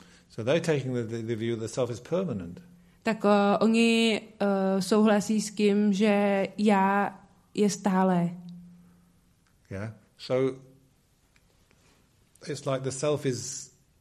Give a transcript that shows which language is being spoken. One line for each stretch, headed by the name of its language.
English: So they're taking the view that self is permanent.
Czech: Tak oni souhlasí s tím, že já je stálé.
English: Yeah. So it's like the self is